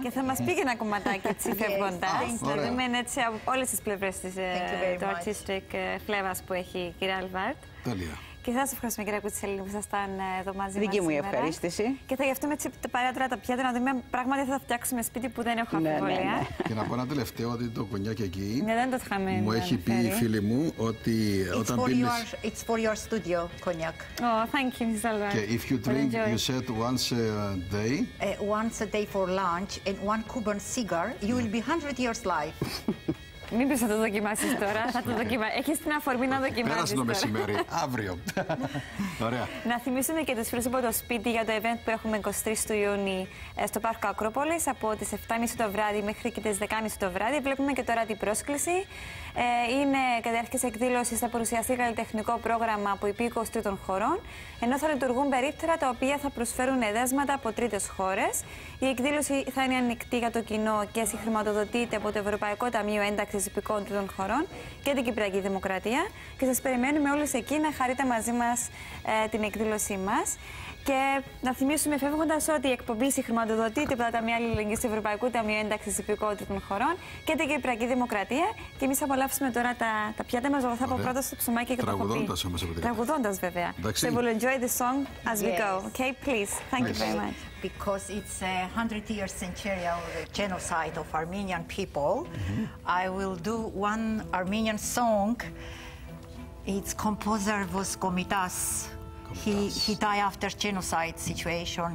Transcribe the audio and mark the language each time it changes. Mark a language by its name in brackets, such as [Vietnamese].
[Greek] Και θα μας πει και ένα κομματάκι έτσι φεύγοντα. Να δούμε έτσι από όλες τις πλευρές του artistic φλέβας που έχει η κυρία Αλβάρτ. Τέλεια. Και σας ευχαριστούμε, κυρία Κουτσιλίνη, που ήσασταν εδώ μαζί μας σήμερα. Δική μου η ευχαρίστηση. Και θα γευτούμε έτσι τα παρέα τα πιάτα, να δούμε πράγματι θα τα φτιάξουμε σπίτι που δεν έχω αμφιβολία. Ναι, ναι, ναι. Και να πω ένα τελευταίο ότι το κονιάκι εκεί ναι, δεν το είχαμε μου έχει πει η φίλη μου ότι [English] it's [Greek] όταν [English] for [Greek] πίνεις... [English] It's for your studio, cognac. Oh, thank you, Miss Alvard. Και if you drink, you said once a day. Once a day for lunch and one Cuban cigar, you will be 100 years life. [Greek] Μην πεις να το δοκιμάσεις τώρα. Θα το δοκιμά... Έχεις την αφορμή να δοκιμάσεις. Πέρασε το μεσημέρι. Αύριο. Ωραία. Να θυμίσουμε και τους φίλους από το σπίτι για το event που έχουμε 23 του Ιούνιου στο Πάρκο Ακρόπολης. Από τις 7.30 το βράδυ μέχρι και τις 10.30 το βράδυ. Βλέπουμε και τώρα την πρόσκληση. Είναι καταρχήν εκδήλωση στα παρουσιαστικά καλλιτεχνικό πρόγραμμα από υπήκοου τρίτων χωρών. Ενώ θα λειτουργούν περίπτερα τα οποία θα προσφέρουν εδέσματα από τρίτες χώρες. Η εκδήλωση θα είναι ανοιχτή για το κοινό και συγχρηματοδοτείται από το Ευρωπαϊκό Ταμείο Ένταξης Υπηκόων Τρίτων Χωρών και την Κυπριακή Δημοκρατία. Και σας περιμένουμε όλους εκεί να χαρείτε μαζί μας την εκδήλωσή μας. Και να θυμίσουμε φεύγοντας ότι η εκπομπή συγχρηματοδοτείται από τα Ταμεία Αλληλεγγύης του Ευρωπαϊκού Ταμείου Ένταξης Υπηκόων Τρίτων Χωρών και την Κυπριακή Δημοκρατία. Και εμείς απολαύσουμε τώρα τα πιάτα μας. Εγώ θα πω πρώτα στο ψωμάκι και τραγουδώντας όμως. Τραγουδώντας βέβαια. [English] So we'll enjoy the song as we go. Okay, please. Thank you very much. Because it's a 100 year century of the genocide of Armenian people, I will do one Armenian song Its composer was Komitas. He died after genocide situation.